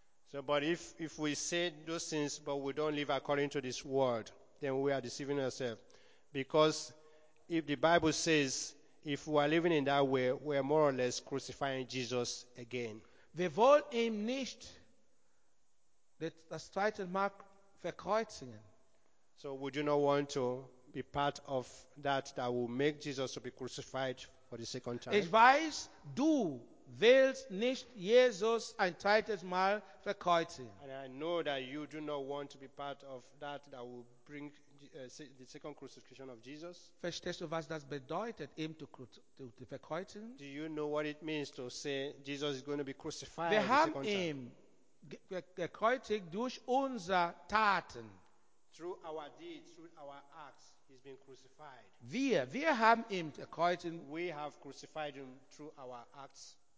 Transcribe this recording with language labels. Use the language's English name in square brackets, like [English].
[English] So, but if we say those things, but we don't live according to this word, then we are deceiving ourselves. Because if the Bible says, if we are living in that way, we are more or less crucifying Jesus again. [German] Wir wollen ihm nicht das zweite Mal verkreuzigen. [English] So, we do not want to be part of that will make Jesus to be crucified for the second time. [German] Ich weiß, du willst nicht Jesus ein zweites Mal verkreuzen. [English] And I know that you do not want to be part of that will bring the second crucifixion of Jesus. [German] Verstehst du, was das bedeutet, ihm zu verkreuzen? [English] Do you know what it means to say Jesus is going to be crucified the second time? [German] Wir haben ihn gekreuzigt durch unsere Taten. [English] Through our deeds, through our acts, he's been crucified. [German] Wir haben ihn gekreuzigt. [English] We have crucified him through our acts.